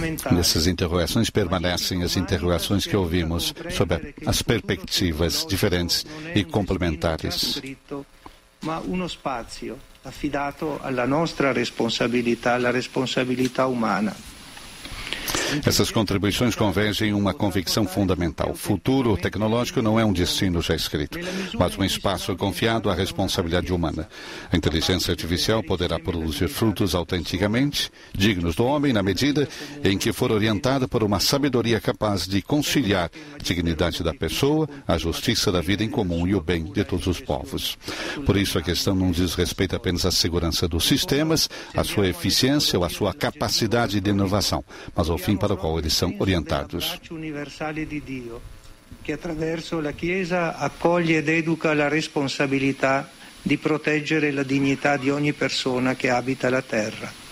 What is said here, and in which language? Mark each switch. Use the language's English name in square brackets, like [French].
[Portuguese] Nessas interrogações permanecem as interrogações que ouvimos sobre as perspectivas diferentes e complementares. [Italian] Ma uno spazio affidato alla nostra responsabilità, alla responsabilità umana. [Portuguese] Essas contribuições convergem em uma convicção fundamental. O futuro tecnológico não é um destino já escrito, mas um espaço confiado à responsabilidade humana. A inteligência artificial poderá produzir frutos autenticamente dignos do homem na medida em que for orientada por uma sabedoria capaz de conciliar a dignidade da pessoa, a justiça da vida em comum e o bem de todos os povos. Por isso, a questão não diz respeito apenas à segurança dos sistemas, à sua eficiência ou à sua capacidade de inovação, mas ao fim para o qual eles são orientados. [Italian] Universale di Dio, che attraverso la Chiesa accoglie ed educa la responsabilità di proteggere la dignità di ogni persona che abita la terra.